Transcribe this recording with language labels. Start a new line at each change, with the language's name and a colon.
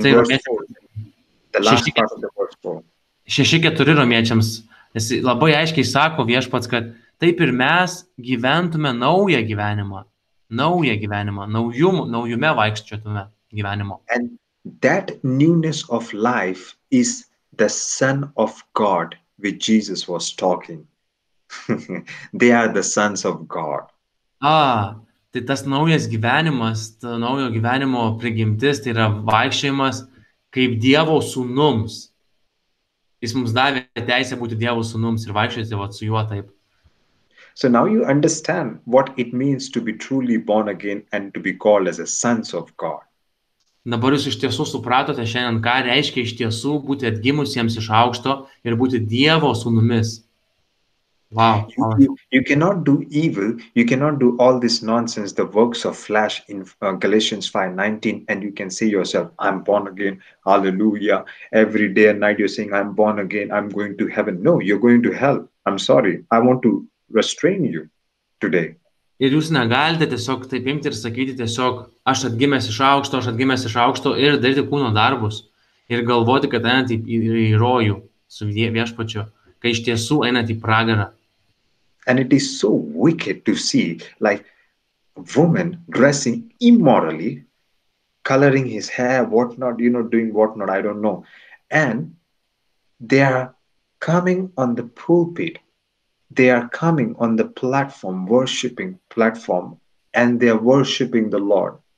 Lithuanian: štai
English: verse 4, the last part of the verse 4.
Lithuanian: 6:4 romiečiams. Nes labai aiškiai sako Viešpats, kad taip ir mes gyventume naują gyvenimą, naujume vaikščiotume gyvenimo.
English: And that newness of life is the Son of God which Jesus was talking. They are the sons of God.
Lithuanian: Tai tas naujas gyvenimas, ta naujo gyvenimo prigimtis, tai yra vaikščiojimas kaip Dievo sūnums. Jis mums davė teisę būti Dievo sūnums ir vaikščioti vat, su juo taip.
English: So now you understand what it means to be truly born again and to be called as a sons of God.
Lithuanian: Dabar jūs iš tiesų supratote šiandien, ką reiškia iš tiesų būti atgimusiems iš aukšto ir būti Dievo sūnumis.
English: Wow. You cannot do evil, you cannot do all this nonsense, the works of flesh in Galatians 5:19, and you can say yourself, I'm born again, hallelujah, every day and night you're saying, I'm born again, I'm going to heaven. No, you're going to hell. I'm sorry, I want to restrain you today.
Lithuanian: Ir jūs negalite tiesiog taip imti ir sakyti tiesiog, aš atgimęs iš aukšto ir daryti kūno darbus ir galvoti, kad einat į rojų su viešpačiu, kai iš tiesų einat į pragarą.
English: And it is so wicked to see like woman dressing immorally, coloring his hair, what not, you know, doing what not, I don't know. And they are coming on the pulpit. They are coming on the platform, worshipping platform, and they are worshipping the Lord.